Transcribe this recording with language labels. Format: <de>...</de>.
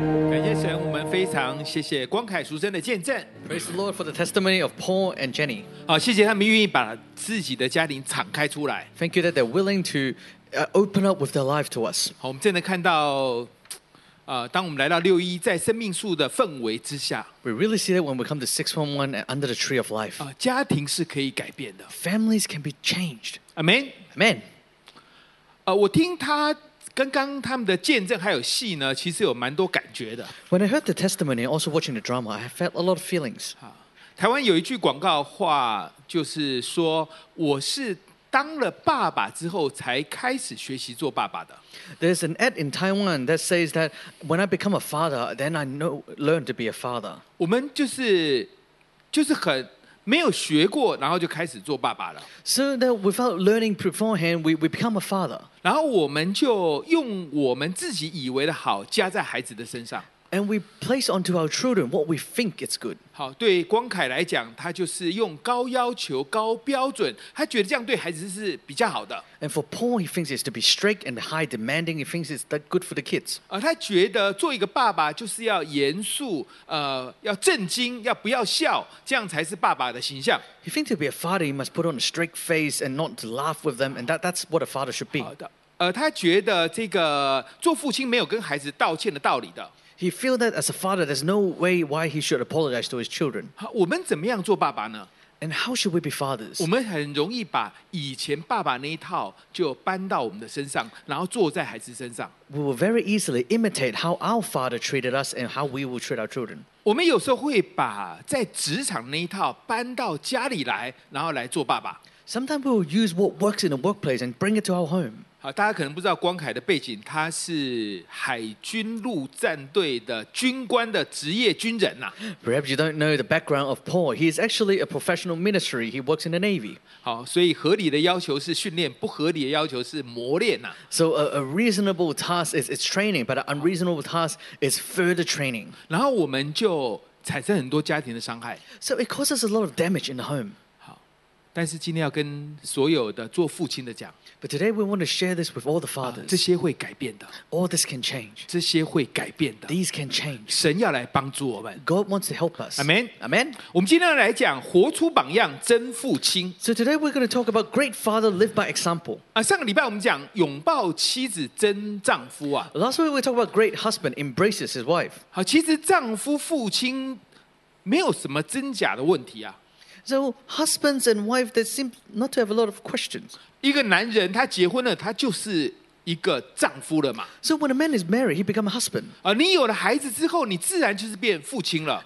<zh>感谢神，我们非常谢谢光凯淑珍的见证。</zh> <en>Praise the Lord for the testimony of Paul and Jenny。</en> <zh>好，谢谢他们愿意把自己的家庭敞开出来。</zh> <en>Thank you that they're willing to open up with their life to us。</en> <zh>好，我们真的看到。当我们来到六一，在生命树的氛围之下</zh> <en>，We really see that when we come to 611 under the tree of life.</en> <zh>家庭是可以改变的</zh> <en>，Families can be changed. Amen. Amen.</en> <zh>我听他刚刚他们的见证还有戏呢，其实有蛮多感觉的。</zh> <en>When I heard the testimony, also watching the drama, I felt a lot of feelings.</en> <zh>台湾有一句广告话，就是说我是。当了爸爸之后，才开始学习做爸爸的。</zh> <en>There's an ad in Taiwan that says that when I become a father, then I know learn to be a father.</en> <zh>我们就是很没有学过，然后就开始做爸爸了。</zh> <en>So that without learning beforehand, we become a father.</en> <zh>然后我们就用我们自己以为的好加在孩子的身上。</zh> <en>And we place onto our children what we think is good.</en> <zh>好，对光凯来讲，他就是用高要求、高标准，他觉得这样对孩子是比较好的。</zh> <en>And for Paul, he thinks it's to be strict and high demanding. He thinks it's that good for the kids.</en> <zh>他觉得做一个爸爸就是要严肃，要正经，要不要笑，这样才是爸爸的形象。</zh> <en>He thinks to be a father, you must put on a strict face and not to laugh with them, and that's what a father should be.</en> <zh>好的，他觉得这个做父亲没有跟孩子道歉的道理的。</zh> <en>He feels that as a father, there's no way why he should apologize to his children.</en> <zh>我们怎么样做爸爸呢？</zh> <en>And how should we be fathers?</en> <zh>我们很容易把以前爸爸那一套就搬到我们的身上，然后坐在孩子身上。</zh> <en>We will very easily imitate how our father treated us and how we will treat our children.</en> <zh>我们有时候会把在职场那一套搬到家里来，然后来做爸爸。</zh> <en>Sometimes we will use what works in the workplace and bring it to our home.</en> <zh>大家可能不知道光凯的背景，他是海军陆战队的军官的职业军人呐。</zh> <en>Perhaps you don't know the background of Paul. He is actually a professional ministry. He works in the Navy.</en> <zh>好，所以合理的要求是训练，不合理的要求是磨练呐。</zh> <en>So a reasonable task is it's training, but an unreasonable task is further training.</en> <zh>然后我们就产生很多家庭的伤害。</zh> <en>So it causes a lot of damage in the home.</en> <zh>但是今天要跟所有的做父亲的讲</zh> <en>，But today we want to share this with all the fathers.</en> <zh>这些会改变的</zh> <en>，All this can change.</en> <zh>这些会改变的</zh> <en>，These can change.</en> <zh>神要来帮助我们</zh> <en>，God wants to help us. Amen. Amen.</en> <zh>我们今天要来讲活出榜样，真父亲。</zh> <en>So today we're going to talk about great father live by example.</en> <zh>上个礼拜我们讲拥抱妻子，真丈夫啊。</zh> <en>Last week we talk about great husband embraces his wife.</en> <zh>好，其实丈夫父亲没有什么真假的问题啊。</zh> <en>So husbands and wives, they seem not to have a lot of questions.</en> <zh>一个男人他结婚了，他就是一个丈夫了嘛。</zh> <en>So when a man is married, he becomes a husband.</en> <zh>你有了孩子之后，你自然就是变父亲了。</zh>